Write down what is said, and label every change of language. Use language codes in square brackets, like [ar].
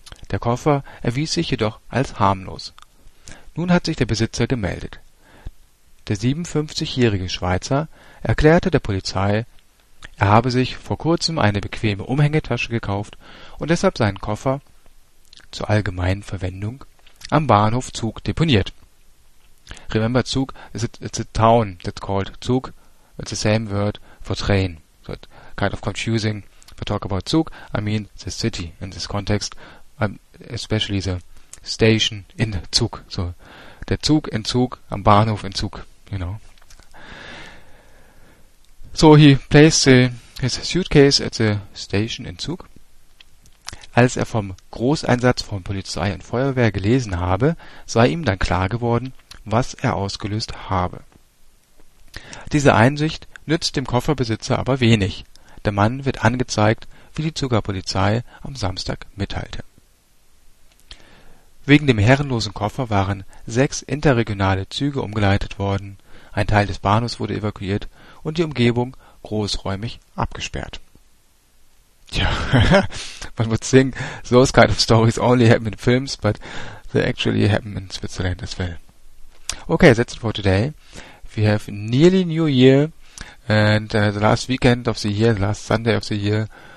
[de] Der Koffer erwies sich jedoch als harmlos. Nun hat sich der Besitzer gemeldet. Der 57-jährige Schweizer erklärte der Polizei, er habe sich vor kurzem eine bequeme Umhängetasche gekauft und deshalb seinen Koffer zur allgemeinen Verwendung am Bahnhof Zug deponiert. [en] Remember, Zug is it's a town that's called Zug. It's the same word for train. So it's kind of confusing. If I talk about Zug, I mean the city in this context, especially the station in Zug. [de] So der Zug in Zug, am Bahnhof in Zug, [en] you know. So he placed his suitcase at the station in Zug. [de] Als er vom Großeinsatz von Polizei und Feuerwehr gelesen habe, sei ihm dann klar geworden, was er ausgelöst habe. Diese Einsicht nützt dem Kofferbesitzer aber wenig. Der Mann wird angezeigt, wie die Zuger Polizei am Samstag mitteilte. Wegen dem herrenlosen Koffer waren 6 interregionale Züge umgeleitet worden, ein Teil des Bahnhofs wurde evakuiert und die Umgebung großräumig abgesperrt. [en] Tja, man would think those kind of stories only happen in films, but they actually happen in Switzerland as well. Okay, that's it for today. We have nearly New Year and the last weekend of the year, the last Sunday of the year.